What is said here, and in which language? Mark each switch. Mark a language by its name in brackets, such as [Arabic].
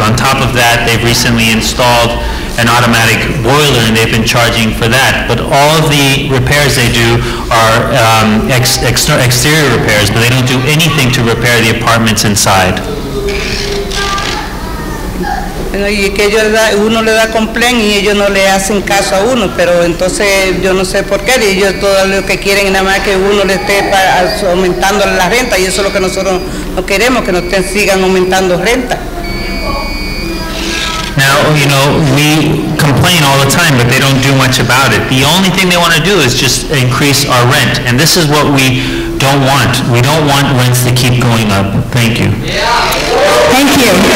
[English] On top of that, they've recently installed an automatic boiler and they've been charging for that. But all of the repairs they do are exterior repairs, but they don't do anything to repair the apartments inside. [Spanish] Y que ellos da, uno le da complaint y ellos no le hacen caso a uno, pero entonces yo no sé por qué, y ellos todo lo que quieren nada más que uno le esté aumentando la renta, y eso es lo que nosotros no queremos, que nos sigan aumentando renta. [English] Now, you know, we complain all the time, but they don't do much about it. The only thing they want to do is just increase our rent, and this is what we don't want. We don't want rents to keep going up. Thank you. Thank you.